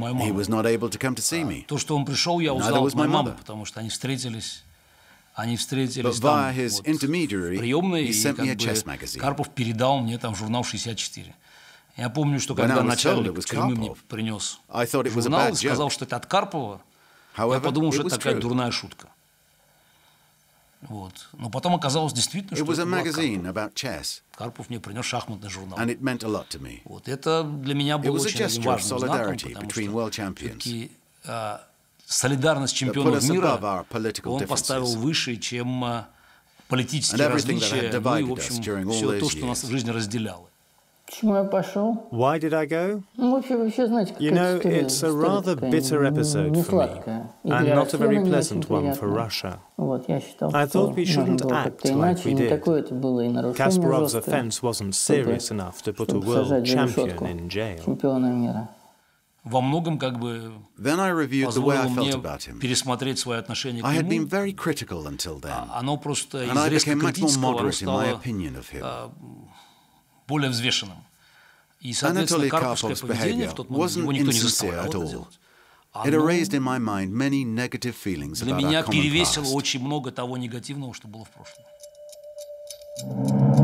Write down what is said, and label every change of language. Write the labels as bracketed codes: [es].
[en] He was not able to come to see me. Neither was my mother. [ru] Потому что они встретились. [en] But via his intermediary, he sent me a chess magazine. [ru] Карпов передал мне там журнал 64. Я помню, что когда начальник тюрьмы мне принес журнал, сказал, что это от Карпова, я подумал, что это такая дурная шутка. Вот. Но потом оказалось действительно, что это Карпов мне принес шахматный журнал. [en] And it meant a lot to me. [ru] Вот. Это для меня было очень важным знаком, потому что [en] world champions. [ru] Солидарность чемпионов мира он поставил выше, чем политические различия, ну и, в общем, все то, что нас в жизни разделяло. Почему я пошел? [en] Why did I go? [ru] Ну, вообще, знаете, [en] you know, it's a rather bitter episode for me, and not a very pleasant one for Russia. [ru] Вот, я считал, [en] I thought we shouldn't act like we did. Kasparov's offense wasn't serious enough to put a world champion in jail. [ru] Во многом, как бы, [en] then I reviewed the way I felt about him. [ru] Пересмотреть свое отношение к нему. [en] I had been very critical until then. [ru] Оно просто из резко критического стало более взвешенным. И, соответственно, карповское поведение в тот момент его никто не заставлял это делать. Для меня перевесило очень много того негативного, что было в прошлом.